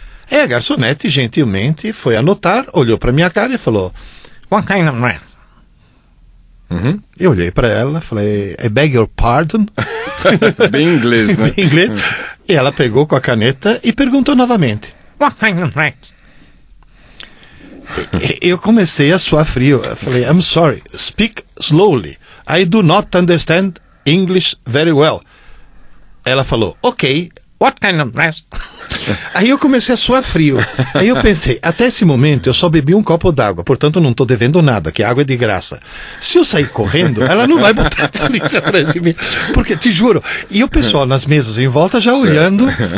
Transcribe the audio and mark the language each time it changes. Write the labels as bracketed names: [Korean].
[Portuguese] É, a garçonete gentilmente foi anotar, olhou para minha cara e falou: [English] "What kind of man?" [Portuguese] Eu olhei para ela, falei: [English] "I beg your pardon." [Portuguese] Bem inglês, né? Bem inglês. E ela pegou com a caneta e perguntou novamente: [English] "What kind of man?" [Portuguese] Eu comecei a suar frio. Eu falei: [English] "I'm sorry, speak slowly. I do not understand English very well." [Portuguese] Ela falou: [English] "Ok. What kind of man?" [Portuguese] Aí eu comecei a suar frio. Aí eu pensei, até esse momento eu só bebi um copo d'água, portanto não estou devendo nada, que água é de graça. Se eu sair correndo, ela não vai botar a polícia atrás de mim. Porque, te juro, e o pessoal nas mesas em volta já olhando.